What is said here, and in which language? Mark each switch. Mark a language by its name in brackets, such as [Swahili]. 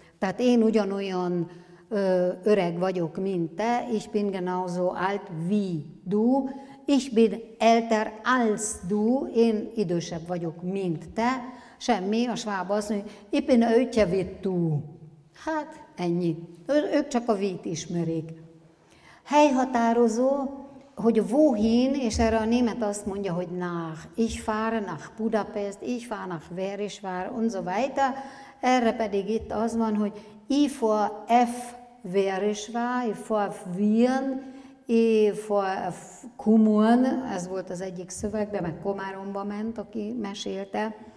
[Hungarian] Tehát én ugyanolyan öreg vagyok, mint te, [German] ich bin genauso alt wie du, ich bin älter als du, [Hungarian] én idősebb vagyok, mint te. Semmi, a sváb azt mondja, [German] ich bin älter wie du. [Hungarian] Hát, ennyi. Ők csak a vít ismerik. Helyhatározó, hogy wohin, és erre a német azt mondja, hogy nach. [German] Ich fahre nach Budapest, ich fahre nach Verisvár, und so weiter. [Hungarian] Erre pedig itt az van, hogy [German] I vor F Verisvár, I vor Wien, I vor Kumon, [Hungarian] ez volt az egyik szövegben, meg Komáromba ment, aki mesélte.